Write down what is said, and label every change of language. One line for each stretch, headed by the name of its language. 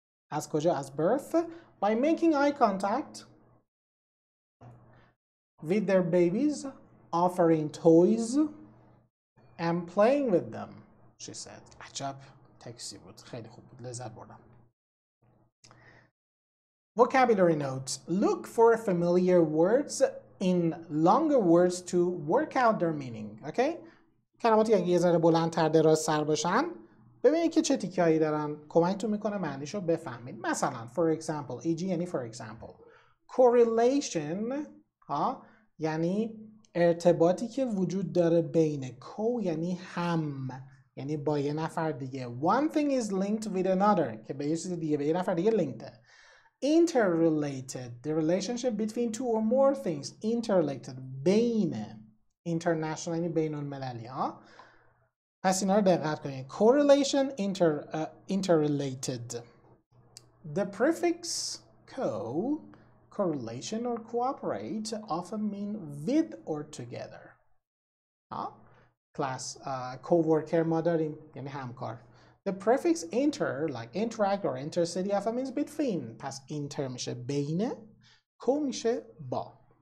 Persian: از کجا؟ از
English: birth، by making eye contact with their babies، offering toys and playing with them، she said.
Persian: عجب تکسی بود، خیلی خوب بود، لذت بردم.
English: Vocabulary notes. Look for familiar words in longer words to work out their meaning. Okay?
Persian: کلماتی اگه یه ذره بلندتر دراز سر باشن، ببینید که چه تیکه‌ای دارن، کمکتون میکنه معنیشو بفهمید.
English: مثلا for example، e.g. یعنی for example.
Persian: Correlation یعنی ارتباطی که وجود داره بین co یعنی هم، یعنی با یه نفر دیگه.
English: One thing is linked with another،
Persian: که به یه چیز دیگه، به یه نفر دیگه لینکده.
English: Interrelated، the relationship between two or more things.
Persian: Interrelated، بین، international یعنی بین المللی. پس اینا رو دقت کنید. Correlation، interrelated.
English: The prefix co، correlation or cooperate often mean with or together.
Persian: class co-worker ما داریم یعنی همکار.
English: The prefix inter, like interact or intercity alpha means between.
Persian: پس inter میشه بین, co میشه با.